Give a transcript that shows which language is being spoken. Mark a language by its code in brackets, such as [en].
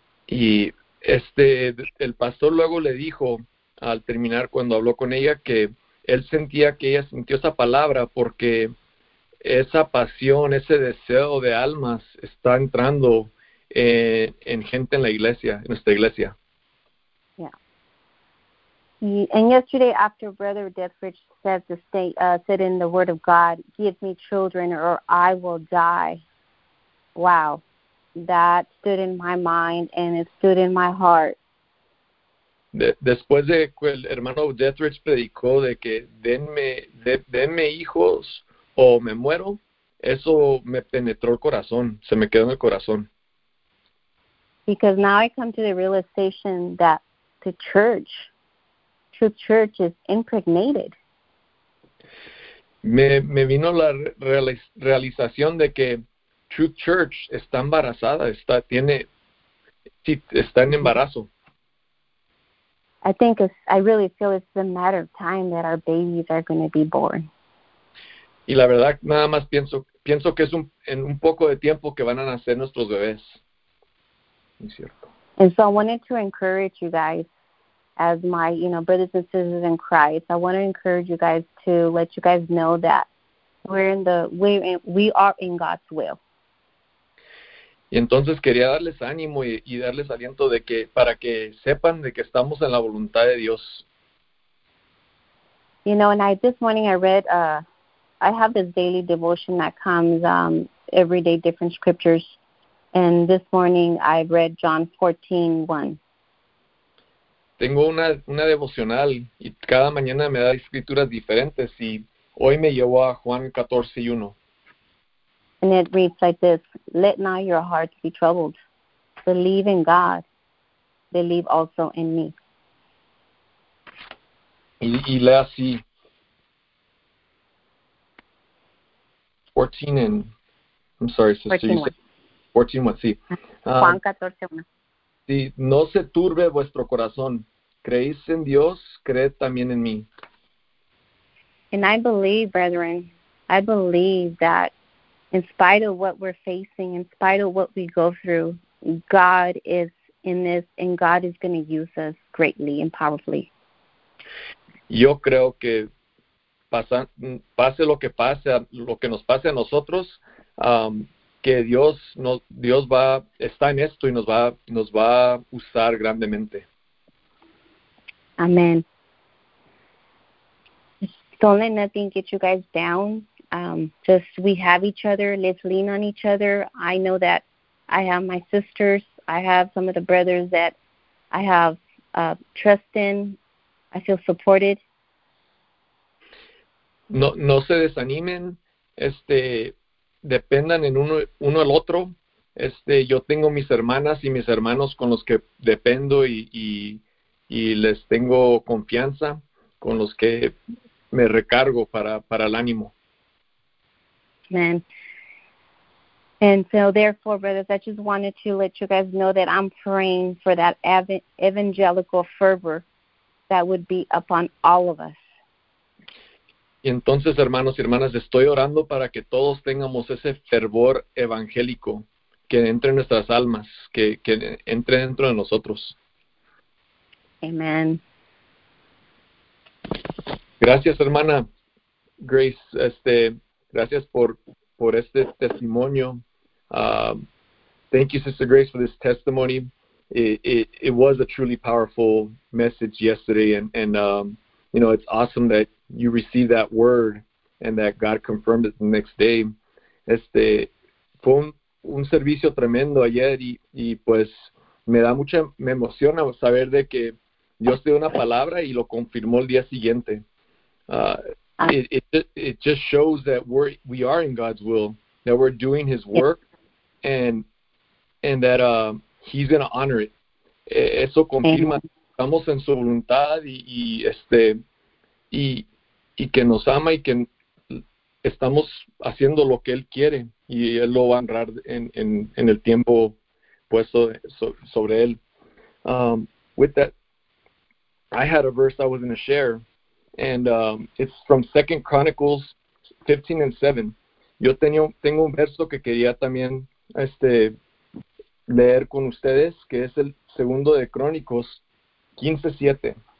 [es] Y el pastor luego le dijo al terminar cuando habló con ella que él sentía que ella sintió esa palabra porque esa pasión, ese deseo de almas está entrando en gente en la iglesia, en nuestra iglesia. [en] And yesterday, after Brother Deathridge said the state said in the Word of God, "Give me children, or I will die." Wow, that stood in my mind and it stood in my heart. [es] Después de que el hermano Deathridge predicó de que denme hijos o me muero, eso me penetró el corazón, se me quedó en el corazón. [en] Because now I come to the realization that the church. True church is impregnated. [es] Me vino la realización de que True Church está embarazada, está en embarazo. [en] I really feel it's a matter of time that our babies are going to be born. [es] Y la verdad, nada más pienso que es en un poco de tiempo que van a nacer nuestros bebés. Es cierto. [en] And so I wanted to encourage you guys. As my, brothers and sisters in Christ, I want to encourage you guys to let you guys know that we are in God's will. [es] Y entonces quería darles ánimo y darles aliento de que para que sepan de que estamos en la voluntad de Dios. [en] And this morning I read, I have this daily devotion that comes every day, different scriptures. And this morning I read John 14:1. [es] Tengo una devocional y cada mañana me da escrituras diferentes y hoy me llevó a Juan 14:1. [en] And it reads like this: let not your hearts be troubled. Believe in God. Believe also in me. [es] Y lea así. [en] 14 and, I'm sorry, sister, 14 you one. Said 14 one, [es] sí. Juan 14, 1. Sí, no se turbe vuestro corazón. Creéis en Dios, creed también en mí. [en] And I believe, brethren, I believe that in spite of what we're facing, in spite of what we go through, God is in this and God is going to use us greatly and powerfully. [es] Yo creo que pase lo que pase, lo que nos pase a nosotros, que Dios nos, Dios va, está en esto y nos va a usar grandemente. Amen. [en] Don't let nothing get you guys down. Just we have each other. Let's lean on each other. I know that I have my sisters. I have some of the brothers that I have trust in. I feel supported. [es] No, no se desanimen. Dependan en uno al otro. Yo tengo mis hermanas y mis hermanos con los que dependo y les tengo confianza, con los que me recargo para el ánimo. Amen. [en] And so therefore, brothers, I just wanted to let you guys know that I'm praying for that evangelical fervor that would be upon all of us. [es] Y entonces, hermanos y hermanas, estoy orando para que todos tengamos ese fervor evangélico que entre en nuestras almas, que entre dentro de nosotros. Amen. Gracias, hermana Grace. Gracias por este testimonio. [en] Thank you, Sister Grace, for this testimony. It was a truly powerful message yesterday, and it's awesome that you received that word and that God confirmed it the next day. [es] Fue un servicio tremendo ayer y pues me emociona saber de que Dios te dio una palabra y lo confirmó el día siguiente. [en] It just shows that we are in God's will, that we're doing His work, and that He's going to honor it. [es] Eso confirma que estamos en su voluntad y que nos ama y que estamos haciendo lo que Él quiere y Él lo va a honrar en el tiempo puesto sobre Él. [en] With that, I had a verse I was going to share. And it's from 2 Chronicles 15 and 7. [es] Yo tengo un verso que quería también leer con ustedes, que es el segundo de Crónicos 15:7.